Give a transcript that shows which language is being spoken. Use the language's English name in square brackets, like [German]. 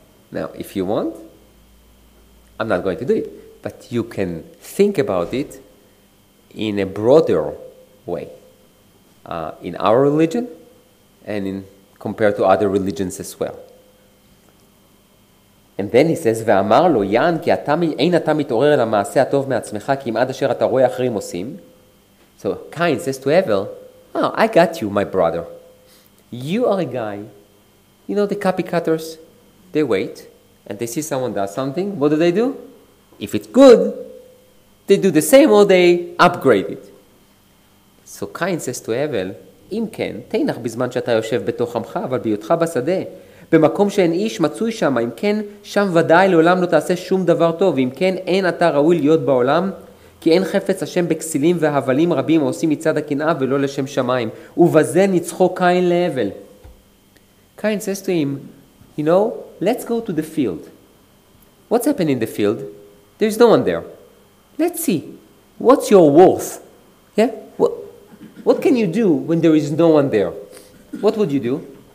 [English] Now, if you want, I'm not going to do it. But you can think about it in a broader way. In our religion, and in compared to other religions as well. [Hebrew] And then he says, ואמר לו, יען, כי אתה, אין אתה מתעורר אל המעשה הטוב מעצמך, כי אם עד אשר אתה רואה אחרים עושים. [English] So Cain says to Hevel, oh, I got you, my brother. You are a guy, you know the copy cutters? They wait, and they see someone does something, what do they do? If it's good, they do the same or they upgrade it. So Cain says to Hevel, [Hebrew] אם כן, תנח בזמן שאתה יושב בתוך עמך, אבל ביותך בשדה, במקום שאין איש מצוי שם, אם כן, שם ודאי לעולם לא תעשה שום דבר טוב, אם כן, אין אתה ראוי להיות בעולם, כי אין חפץ השם בכסילים והבלים רבים עושים מצד הקנאה ולא לשם שמיים. ובזה ניצחו קין להבל. [English] קין says to him, you know, let's go to the field. What's happening in the field? There's no one there. Let's see. What's your worth? Yeah? What can you do when there is no one there? What would you do?